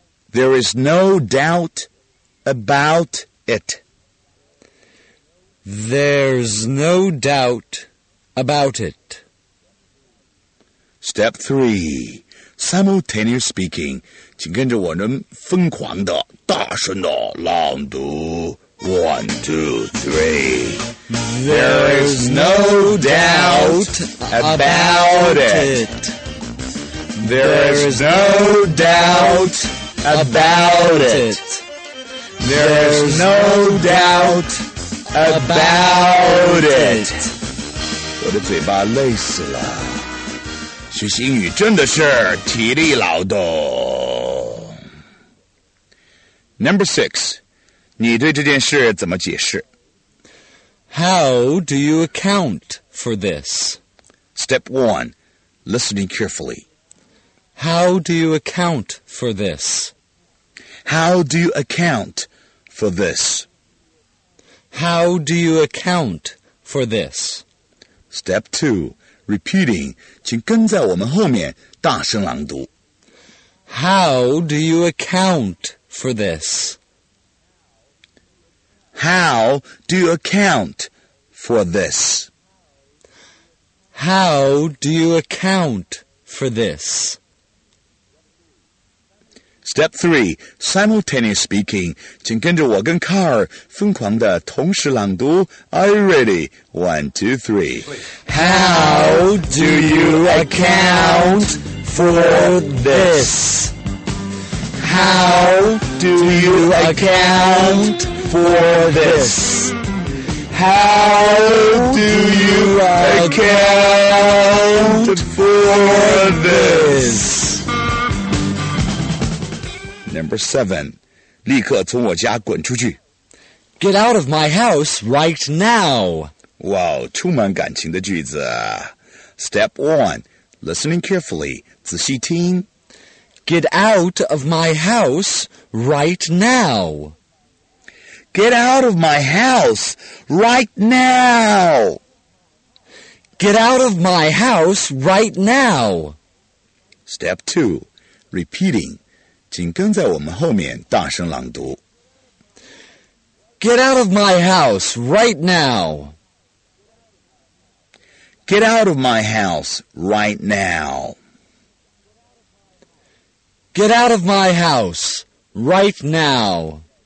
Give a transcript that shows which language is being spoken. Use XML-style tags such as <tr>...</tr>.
<en>There is no doubt about it. There's no doubt about it. Step 3. Simultaneous speaking.</en> <zh>请跟着我们疯狂的大声的朗读。</zh> <en>One, two, three. There is no doubt about it. There is no doubtAbout it. There's no doubt about it.</en> <zh>我的嘴巴累死了。学习英语真的是体力劳动。</zh> <en>Number 6.</en> <zh>你对这件事怎么解释?</zh> <en>How do you account for this? Step 1. Listening carefully. How do you account for this? How do you account for this? How do you account for this? Step 2. Repeating.</en> <zh>请跟在我们后面大声朗读。</zh> <en>How do you account for this? How do you account for this? How do you account for this? Step 3. Simultaneous speaking.</en> <zh>请跟着我跟卡尔疯狂地同时朗读。</zh> <en>Are you ready? 1, 2, 3. How do you account for this? How do you account for this? How do you account for this? Number 7.</en> <zh>立刻从我家滚出去。</zh> <en>Get out of my house right now.</en> <zh>Wow, 充满感情的句子。</zh> <en>Step 1. Listening carefully.</en> <zh>仔细听。</zh> <en>Get out of my house right now. Get out of my house right now. Get out of my house right now. Step 2. Repeating.</en> <zh>请跟在我们后面大声朗读。</zh> <en>Get out of my house right now. Get out of my house right now. Get out of my house right now.</en>